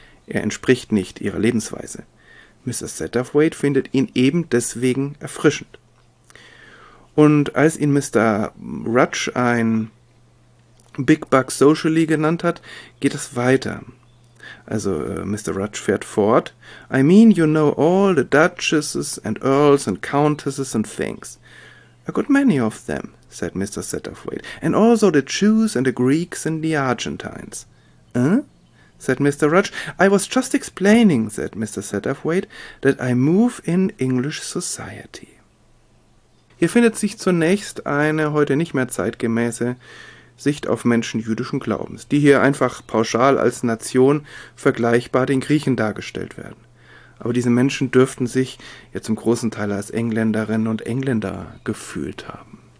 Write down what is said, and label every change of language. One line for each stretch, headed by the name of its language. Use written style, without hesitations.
German: Er entspricht nicht ihrer Lebensweise. Mr. Satterthwaite findet ihn eben deswegen erfrischend. Und als ihn Mr. Rudge ein
English: Big Buck Socially
German: genannt hat, geht es weiter. Also Mr. Rudge fährt fort.
English: I mean, you know all the duchesses and earls and countesses and things. A good many of them, said Mr. Satterthwaite. And also the Jews and the Greeks and the Argentines. Huh? Said Mr. Rudge. I was just explaining, said Mr. Satterthwaite, that I move in English society.
German: Hier findet sich zunächst eine heute nicht mehr zeitgemäße Sicht auf Menschen jüdischen Glaubens, die hier einfach pauschal als Nation vergleichbar den Griechen dargestellt werden. Aber diese Menschen dürften sich ja zum großen Teil als Engländerinnen und Engländer gefühlt haben.